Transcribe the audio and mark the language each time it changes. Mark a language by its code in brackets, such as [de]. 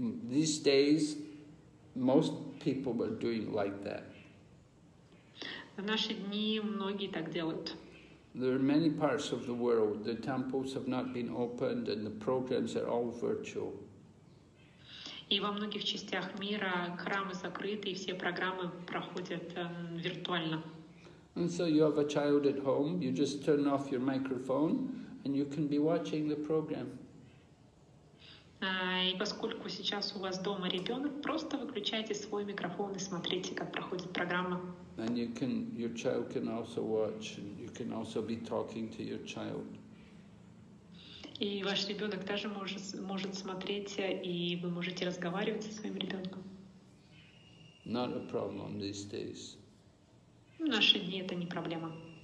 [en] These days most people are doing like that. [ru] В наши дни многие так делают. [en] There are many parts of the world the temples have not been opened and the programs are all virtual. [ru] И во многих частях мира храмы закрыты, и все программы проходят виртуально. [en] And so you have a child at home, you just turn off your microphone, and you can be watching the program. [ru] И поскольку сейчас у вас дома ребенок, просто выключайте свой микрофон и смотрите, как проходит программа. [en] And you can, your child can also watch, and you can also be talking to your child. [ru] И ваш ребенок также может смотреть, и вы можете разговаривать со своим ребенком. [en] Not a problem these days. [ru] В наши дни это не проблема.